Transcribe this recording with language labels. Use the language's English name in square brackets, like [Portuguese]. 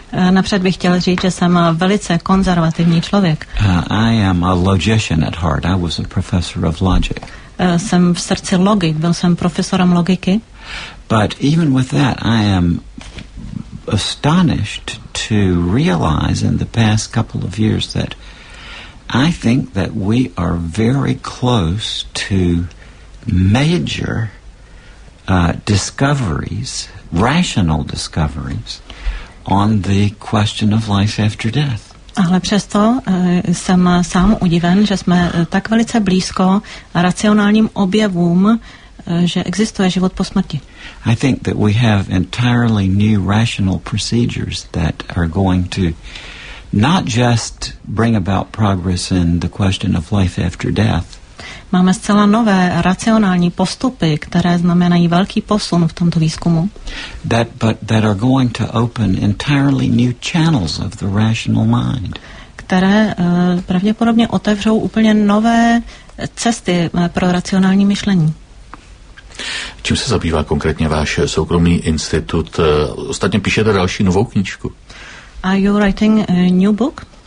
[Czech] Napřed bych chtěl říct, že jsem velice konzervativní člověk. [English] I am a logician at heart. I was a professor of logic. [Czech] Jsem v srdci logik, byl jsem profesorem logiky. [English] But even with that, I am astonished to realize in the past couple of years that I think that we are very close to major discoveries, rational discoveries, on the question of life after death. [Czech] Ale přesto jsem sám udiven, že jsme tak velice blízko racionálním objevům, že existuje život po smrti. [English] I think that we have entirely new rational procedures that are going to not just bring about progress in the question of life after death. [Czech] Máme zcela nové racionální postupy, které znamenají velký posun v tomto výzkumu. [English] That are going to open entirely new channels of the rational mind. [Czech] které pravděpodobně otevřou úplně nové cesty pro racionální myšlení. Čím se zabývá konkrétně váš soukromý institut? Ostatně píšete další novou knížku. [English] Are you writing a new book?